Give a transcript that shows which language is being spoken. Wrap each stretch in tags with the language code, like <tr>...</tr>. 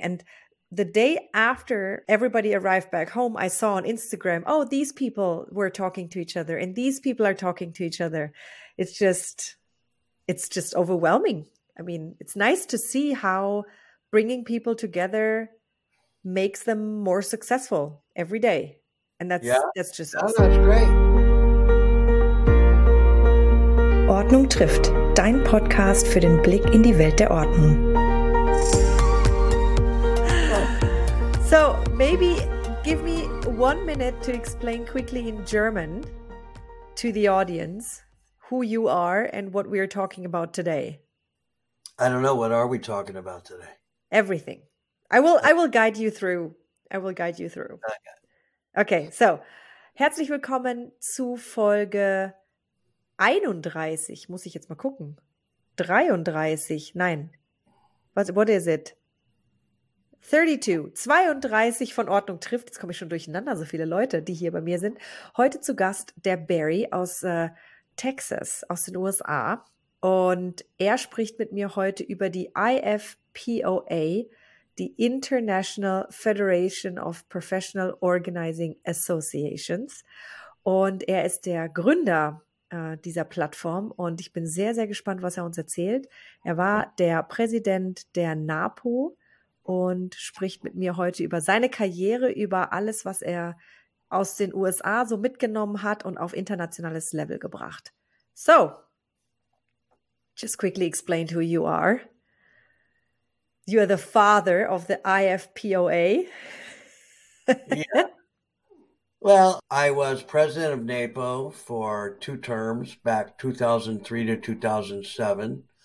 <en>And the day after everybody arrived back home, I saw on Instagram, oh, these people were talking to each other and these people are talking to each other. It's just overwhelming. I mean, it's nice to see how bringing people together makes them more successful every day. And Yeah, that's just oh, awesome. that's great.</en> <de>Ordnung trifft, dein Podcast für den Blick in die Welt der Ordnung.</de> <en>So maybe give me 1 minute to explain quickly in German to the audience who you are and what we are talking about today. I don't know, what are we talking about today? Everything. I will guide you through. I will guide you through.</en> <de>Okay, so herzlich willkommen zu Folge 31. Muss ich jetzt mal gucken.</de> <en>33,</en> <de>nein.</de> <en>What is it?</en> <de>32, 32 von Ordnung trifft. Jetzt komme ich schon durcheinander, so viele Leute, die hier bei mir sind. Heute zu Gast der Barry aus Texas, aus den USA. Und er spricht mit mir heute über die IFPOA, die International Federation of Professional Organizing Associations. Und er ist der Gründer dieser Plattform. Und ich bin sehr, sehr gespannt, was er uns erzählt. Er war der Präsident der NAPO. Und spricht mit mir heute über seine Karriere, über alles, was er aus den USA so mitgenommen hat und auf internationales Level gebracht.</de> <en>So, just quickly explained who you are. You are the father of the IFPOA. Yeah. Well, I was president of NAPO for 2 terms back 2003 to 2007.</en>